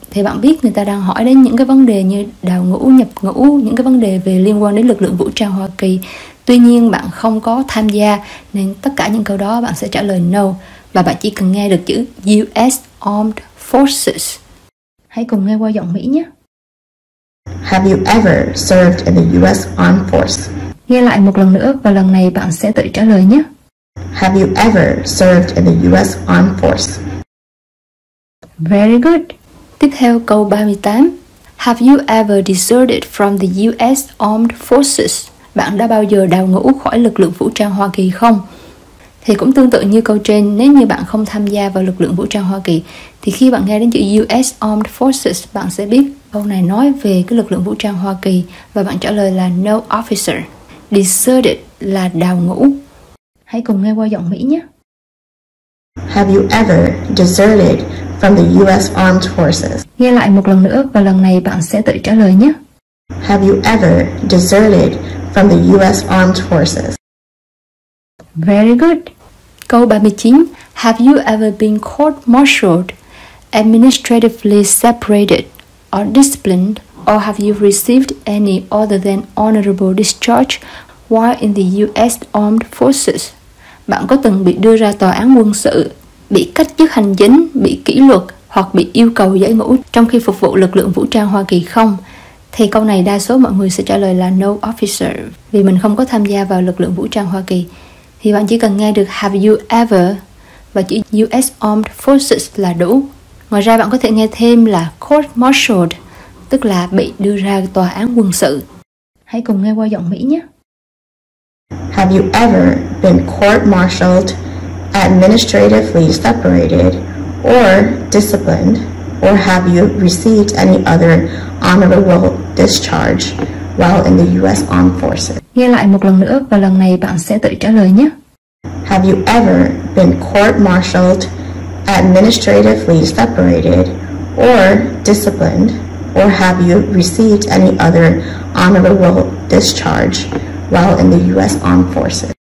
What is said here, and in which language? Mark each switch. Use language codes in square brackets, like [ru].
[vi] Thì bạn biết người ta đang hỏi đến những cái vấn đề như đào ngũ, nhập ngũ, những cái vấn đề về liên quan đến lực lượng vũ trang Hoa Kỳ. Tuy nhiên bạn không có tham gia nên tất cả những câu đó bạn sẽ trả lời no. Và bạn chỉ cần nghe được chữ US Armed Forces. Hãy cùng nghe qua giọng Mỹ nhé. [en] Have you ever served in the US Armed Forces? [vi] Nghe lại một lần nữa và lần này bạn sẽ tự trả lời nhé. [en] Have you ever served in the US Armed Forces? Very good. [vi] Tiếp theo câu 38. [en] Have you ever deserted from the US Armed Forces? [vi] Bạn đã bao giờ đào ngũ khỏi lực lượng vũ trang Hoa Kỳ không? Thì cũng tương tự như câu trên, nếu như bạn không tham gia vào lực lượng vũ trang Hoa Kỳ, thì khi bạn nghe đến chữ US Armed Forces, bạn sẽ biết câu này nói về cái lực lượng vũ trang Hoa Kỳ và bạn trả lời là [en] no officer. [vi] Deserted là đào ngũ. Hãy cùng nghe qua giọng Mỹ nhé. [en] Have you ever deserted from the US Armed Forces? [vi] Nghe lại một lần nữa và lần này bạn sẽ tự trả lời nhé. [en] Have you ever deserted from the US Armed Forces? Very good. [vi] Câu 39. [en] Have you ever been court-martialed, administratively separated, or disciplined, or have you received any other than honorable discharge while in the US Armed Forces? [vi] Bạn có từng bị đưa ra tòa án quân sự, bị cách chức hành chính, bị kỷ luật hoặc bị yêu cầu giải ngũ trong khi phục vụ lực lượng vũ trang Hoa Kỳ không? Thì câu này đa số mọi người sẽ trả lời là [en] no officer, [vi] vì mình không có tham gia vào lực lượng vũ trang Hoa Kỳ. Thì bạn chỉ cần nghe được [en] have you ever [vi] và chữ US Armed Forces là đủ. Ngoài ra bạn có thể nghe thêm là court-martialed, tức là bị đưa ra tòa án quân sự. Hãy cùng nghe qua giọng Mỹ nhé. [en] Have you ever been court-martialed, administratively separated, or disciplined, or have you received any other honorable discharge while in the US Armed Forces? [vi] Nghe lại một lần nữa và lần này bạn sẽ tự trả lời nhé. [en] Have you ever been court-martialed, administratively separated, or disciplined, or have you received any other honorable discharge while in the US Armed Forces?